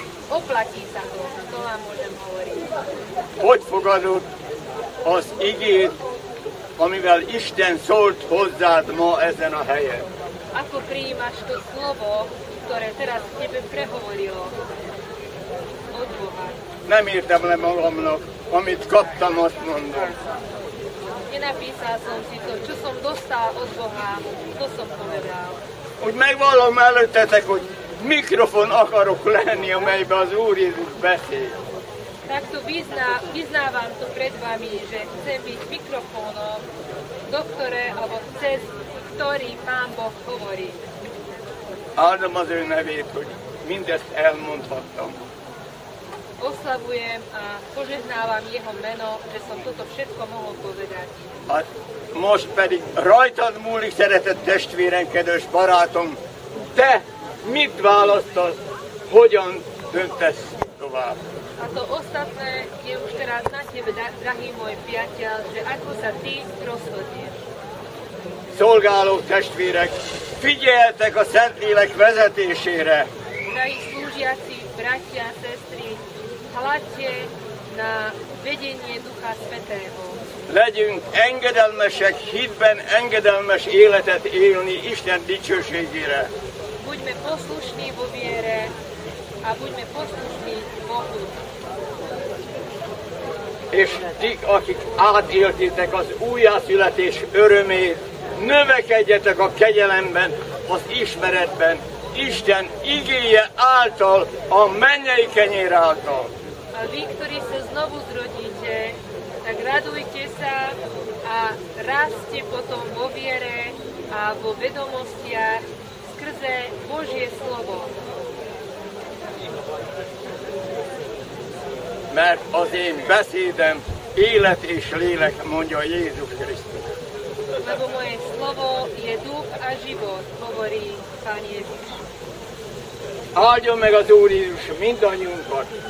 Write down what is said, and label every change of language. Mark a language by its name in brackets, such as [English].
[Slovak] Oplatí sa to, to vám môžem hovoriť. Poď [Hungarian] pogadúť az igét, amivel Isten szólt hozzád ma ezen a helyen. [Slovak] Ako prijímaš to slovo, ktoré teraz tebe prehovorilo od Boha? [Hungarian] Nem írtam le magamnak, amit kaptam, azt mondom. [Slovak] Nenapísal som si to, čo som dostal od Boha, to som povedal. [Hungarian] Úgy megvallom előttetek, hogy mikrofon akarok lenni, amelybe az Úr Jézus beszél. [Slovak] Takto vyznávam to pred vami, že chcem byť mikrofónom, do ktoré, alebo cez ktorý Pán Boh hovorí. [Hungarian] Áldom az ő nevét, hogy mindezt elmondhattam. [Slovak] Oslavujem a požehnávam jeho meno, že som toto všetko mohol povedať. [Hungarian] A most pedig rajtad múlik, szeretett testvérem, kedves barátom, te mit választasz, hogyan döntesz tovább? [Slovak] A to ostatné je už teraz na tebe, drahý môj priateľ, že ako sa ty rozhodneš. [Hungarian] Szolgáló testvérek, figyeljetek a Szentlélek vezetésére. [Slovak] Drahí slúžiaci, bratia a sestry, hľadte na vedenie Ducha Svätého. [Hungarian] Legyünk engedelmesek, hitben engedelmes életet élni Isten dicsőségére. [Slovak] Buďme poslušní vo viere a buďme poslušní Bohu. [Hungarian] És ti, akik átéltétek az újjászületés örömét, növekedjetek a kegyelemben, az ismeretben, Isten igéje által, a mennyei kenyér által. [Slovak] A vi, ktorí sa znovu zrodíte, tak radujte sa a rastie potom vo viere a vo vedomostiach skrze Božie slovo. [Hungarian] Mert az én beszédem élet és lélek, mondja Jézus Krisztus. [Slovak] Lebo moje slovo je duch a život, hovorí Pán Jézus. [Hungarian] Áldjon meg az Úr Jézus mindannyiunkat.